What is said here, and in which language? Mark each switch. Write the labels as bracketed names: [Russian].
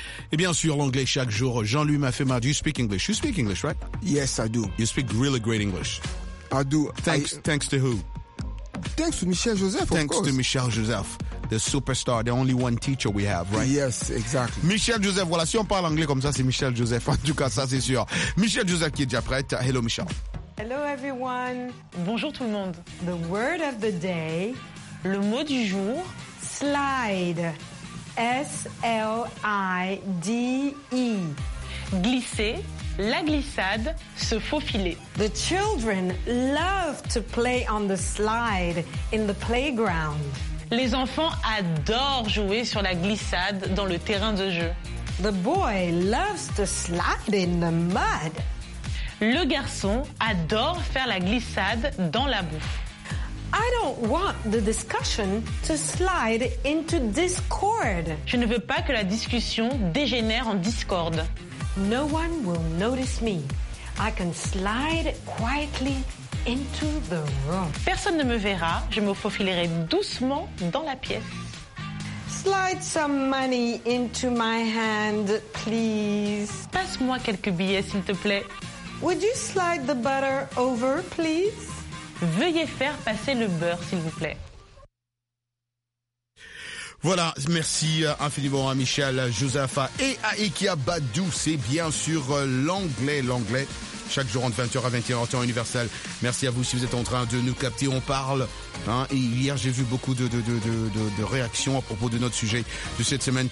[French] Et bien sûr, l'anglais chaque jour. Jean-Louis m'a fait mal. [English] Do you speak English? You speak English, right? Yes, I do. You speak really great English. I do. Thanks, thanks to who? Thanks to Michel Joseph, thanks of course. Thanks to Michel Joseph, the superstar, the only one teacher we have, right? Yes, exactly. [French] Michel Joseph, voilà, si on parle anglais comme ça, c'est Michel Joseph. En tout cas, ça, c'est sûr. Michel Joseph qui est déjà prête. [English] Hello, Michel. Hello, everyone. [French] Bonjour, tout le monde. [English] The word of the day, [French] le mot du jour, [English] slide. S-L-I-D-E. [French] Glisser, la glissade, se faufiler. [English] The children love to play on the slide in the playground. [French] Les enfants adorent jouer sur la glissade dans le terrain de jeu. [English] The boy loves to slide in the mud. [French] Le garçon adore faire la glissade dans la boue. [English] I don't want the discussion to slide into discord. [French] Je ne veux pas que la discussion dégénère en discorde. [English] No one will notice me. I can slide quietly into the room. [French] Personne ne me verra. Je me faufilerai doucement dans la pièce. [English] Slide some money into my hand, please. [French] Passe-moi quelques billets, s'il te plaît. [English] Would you slide the butter over, please? [French] Veuillez faire passer le beurre, s'il vous plaît. Voilà, merci infiniment à Michel, Joseph et à Ikea Badou. C'est bien sûr l'anglais, l'anglais. Chaque jour entre 20h à 21h, temps universel. Merci à vous si vous êtes en train de nous capter. On parle, hein, et hier, j'ai vu beaucoup de réactions à propos de notre sujet de cette semaine.